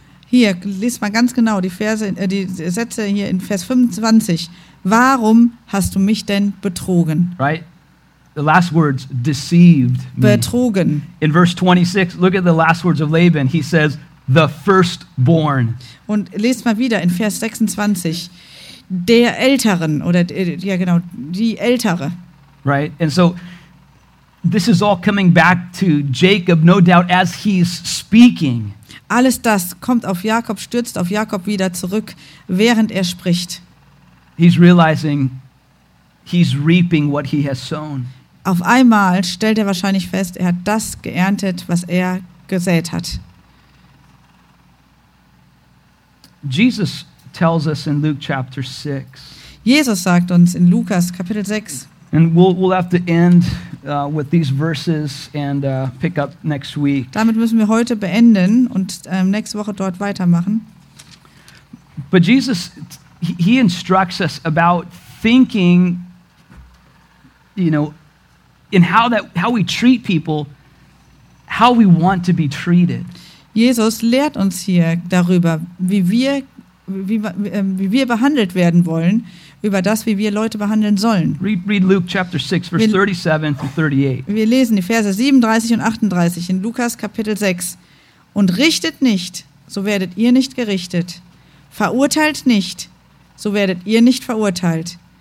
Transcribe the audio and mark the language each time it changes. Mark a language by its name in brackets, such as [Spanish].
[German] Hier, lest mal ganz genau die Sätze hier in Vers 25. Warum hast du mich denn betrogen? [English] Right? The last words, deceived me. [German] Betrogen. [English] In verse 26, look at the last words of Laban. He says, the firstborn. [German] Und lest mal wieder in Vers 26, der Älteren, oder, ja genau, die Ältere. [English] Right? And so, this is all coming back to Jacob, no doubt, as he's speaking. [German] Alles das kommt auf Jakob, stürzt auf Jakob wieder zurück, während er spricht. [English] He's realizing he's reaping what he has sown. [German] Auf einmal stellt er wahrscheinlich fest, er hat das geerntet, was er gesät hat. [English] Jesus tells us in Luke chapter 6. [German] Jesus sagt uns in Lukas Kapitel 6. [English] And we'll have to end with these verses and pick up next week. [German] Damit müssen wir heute beenden und nächste Woche dort weitermachen. [English] But Jesus, he instructs us about thinking, you know, in how we treat people, how we want to be treated. [German] Jesus lehrt uns hier darüber, wie wir behandelt werden wollen, über das, wie wir Leute behandeln sollen. [English] Read Luke chapter 6, verse 37 to 38. [German] Wir lesen die Verse 37 und 38 in Lukas Kapitel 6. Und richtet nicht, so werdet ihr nicht gerichtet. Verurteilt nicht, so werdet ihr nicht verurteilt.